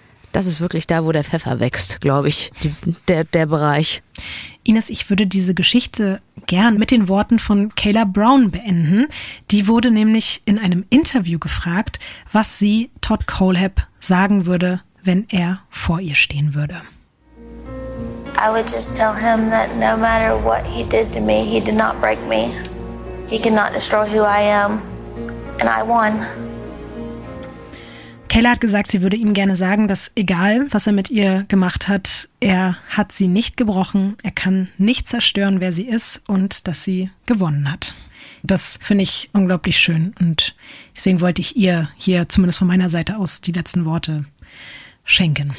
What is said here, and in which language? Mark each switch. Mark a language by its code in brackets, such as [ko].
[de] Das ist wirklich da, wo der Pfeffer wächst, glaube ich, der Bereich. Ines, ich würde diese Geschichte gern mit den Worten von Kayla Brown beenden. Die wurde nämlich in einem Interview gefragt, was sie Todd Colehab sagen würde, wenn er vor ihr stehen würde. [en] I would just tell him that no matter what he did to me, he did not break me. He cannot destroy who I am. And I won. [de] Kayla hat gesagt, sie würde ihm gerne sagen, dass egal, was er mit ihr gemacht hat, er hat sie nicht gebrochen, er kann nicht zerstören, wer sie ist und dass sie gewonnen hat. Das finde ich unglaublich schön und deswegen wollte ich ihr hier zumindest von meiner Seite aus die letzten Worte schenken.